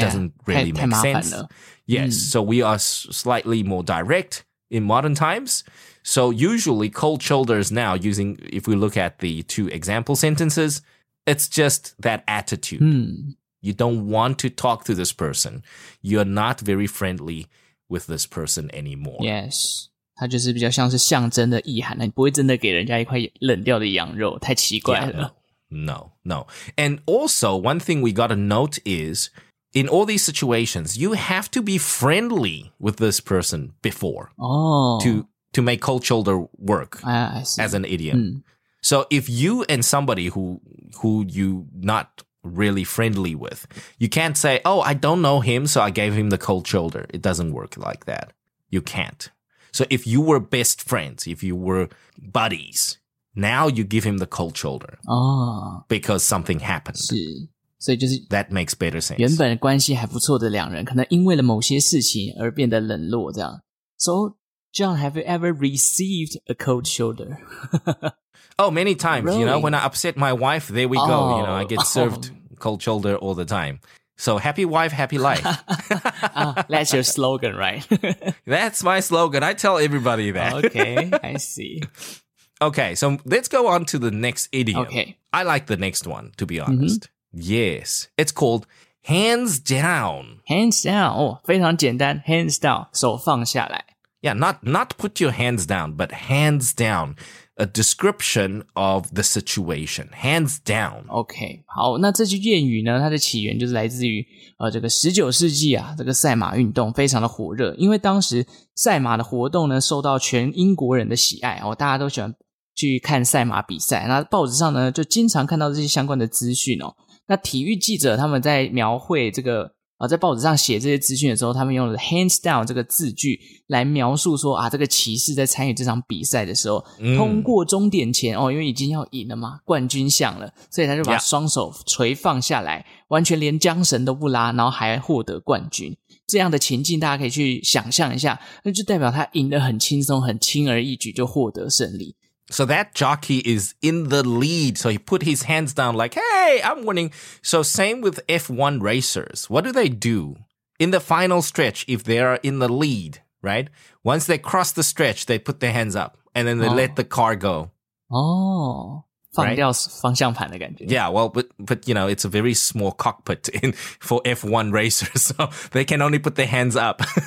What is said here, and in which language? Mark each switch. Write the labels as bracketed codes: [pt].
[en] It doesn't really make sense. Yes. Mm. So we are slightly more direct in modern times. So usually cold shoulders now, using, if we look at the two example sentences, it's just that attitude. Mm. You don't want to talk to this person. You're not very friendly with this person anymore. Yes. [zh] 它就是比较像是象征的意涵，你不会真的给人家一块冷掉的羊肉，太奇怪了。 [en] Yeah, no, no. And also, one thing we got to note is, in all these situations, you have to be friendly with this person before to make cold shoulder work as an idiom. Mm. So if you and somebody who you not really friendly with, you can't say, oh, I don't know him, so I gave him the cold shoulder. It doesn't work like that. You can't. So if you were best friends, if you were buddies, now you give him the cold shoulder because something happened. [zh] 是，所以就是 [en] that makes better sense. [zh] 原本关系还不错的两人，可能因为了某些事情而变得冷落这样。 [en] So, John, have you ever received a cold shoulder? Oh, many times. Really? You know, when I upset my wife, there we go. You know, I get served cold shoulder all the time. So, happy wife, happy life. that's your slogan, right? That's my slogan. I tell everybody that. Okay, I see. Okay, so let's go on to the next idiom. Okay. I like the next one, to be honest. Mm-hmm. Yes, it's called hands down. Hands down. Oh, [zh] 非常简单. [en] Hands down. [zh] 手放下来. [en] Yeah, not put your hands down, but hands down. A description of the situation. Hands down. Okay. [zh] 好，那这句谚语呢，它的起源就是来自于这个19世纪啊，这个赛马运动非常的火热。因为当时赛马的活动呢，受到全英国人的喜爱哦，大家都喜欢去看赛马比赛。那报纸上呢，就经常看到这些相关的资讯哦。那体育记者他们在描绘这个在报纸上写这些资讯的时候，他们用了 hands down 这个字句来描述说啊，这个骑士在参与这场比赛的时候，通过终点前哦，因为已经要赢了嘛，冠军相了，所以他就把双手垂放下来，完全连缰绳都不拉，然后还获得冠军。这样的情境大家可以去想象一下，那就代表他赢得很轻松，很轻而易举就获得胜利。 [en] So that jockey is in the lead. So he put his hands down like, hey, I'm winning. So same with F1 racers. What do they do in the final stretch if they are in the lead, right? Once they cross the stretch, they put their hands up and then they let the car go. [zh] Oh, 放掉方向盘的感觉。 [en] Yeah, well, but you know, it's a very small cockpit for F1 racers. So they can only put their hands up.